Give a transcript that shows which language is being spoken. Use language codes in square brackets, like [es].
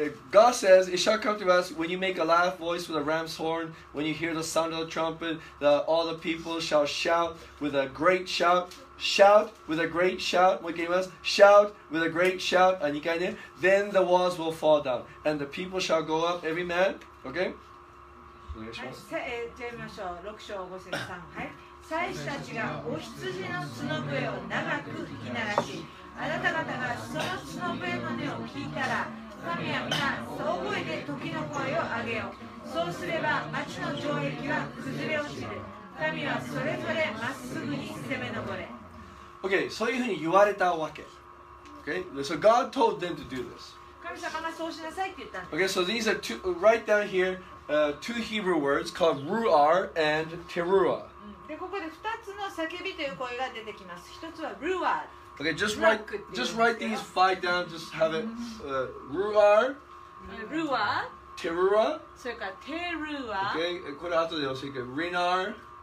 [en] God says, it shall come to pass when you make a loud voice with a ram's horn, when you hear the sound of the trumpet, that all the people shall shout with a great shout. Shout with a great shout. [ja] もう一回言います。 [en] Shout with a great shout. [ja] あ、2回ね。 [en] Then the walls will fall down, and the people shall go up, every man. OK? [ja] はい、じゃあ見ましょう。6章5節3、はい、祭司たちがお羊の角笛を長く吹き鳴らし、あなた方がその角笛の音を聞いたら、神は皆大声で時の声を上げよう。そうすれば町の城壁は崩れ落ちる。神はそれぞれまっすぐに攻め上れ。 OK、 そういうふうに言われたわけ。 [en] OK、 So God told them to do this。 [ja] 神様がそうしなさいって言ったんです。 [en] OK、 So these are two right down hereTwo Hebrew words called ruar and terua. [ja] でここで2つの叫びという声が出てきます。 1つは ruar。 [en] Okay, just write these five down. Just have it. Ruar. Ruar. Terua. [ja] それから terua. Okay, これ後で教えてください。Rinar.